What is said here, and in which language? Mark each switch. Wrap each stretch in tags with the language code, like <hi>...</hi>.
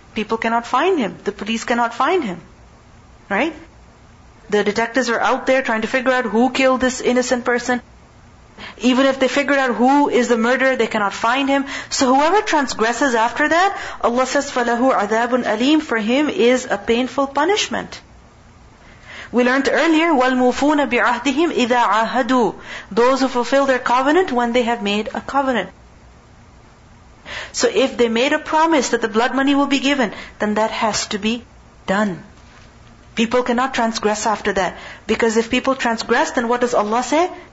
<en>People cannot find him. The police cannot find him. Right? The detectives are out there trying to figure out who killed this innocent person. Even if they figure out who is the murderer, they cannot find him. So whoever transgresses after that, Allah says,</en> <ar>فَلَهُ عَذَابٌ أَلِيمٌ,</ar> <en>for him is a painful punishment. We learned earlier,</en> <ar>وَالْمُوفُونَ بِعَهْدِهِمْ إِذَا عَهَدُوا.</ar> <en>Those who fulfill their covenant when they have made a covenant. So if they made a promise that the blood money will be given, then that has to be done. People cannot transgress after that. Because if people transgress, then what does Allah say?</en>